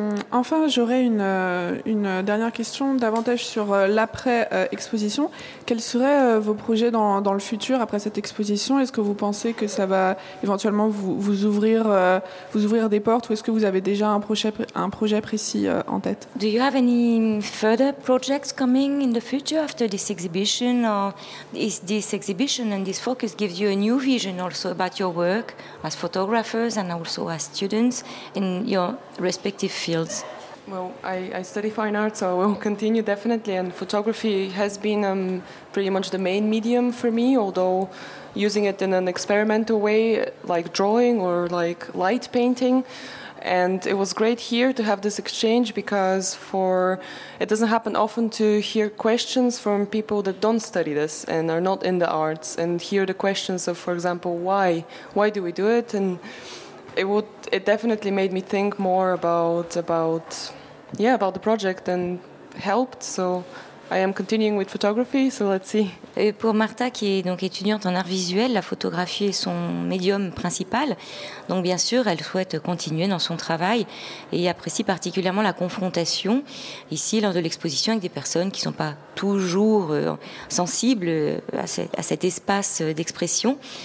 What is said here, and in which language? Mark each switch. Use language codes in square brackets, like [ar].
[fr] Enfin, j'aurais une dernière question davantage sur l'après-exposition. Quels seraient vos projets dans le futur après cette exposition? Est-ce que vous pensez que ça va éventuellement vous ouvrir des portes, ou est-ce que vous avez déjà un projet précis en tête? [en] Do you have any further projects coming in the future after this exhibition, or is this exhibition and this focus gives you a new vision also about your work as photographers and also as students in your respective fields? Well, I study fine art, so I will continue definitely, and photography has been pretty much the main medium for me, although using it in an experimental way, like drawing or like light painting. And it was great here to have this exchange, because it doesn't happen often to hear questions from people that don't study this and are not in the arts, and hear the questions of, for example, why do we do it? And it definitely made me think more about the project and helped. So I am continuing with photography, so let's see. [fr] Et pour Martha, qui est donc étudiante en art visuel, la photographie est son médium principal. Donc bien sûr, elle souhaite continuer dans son travail et apprécie particulièrement la confrontation ici lors de l'exposition avec des personnes qui ne sont pas toujours sensibles à cet espace d'expression.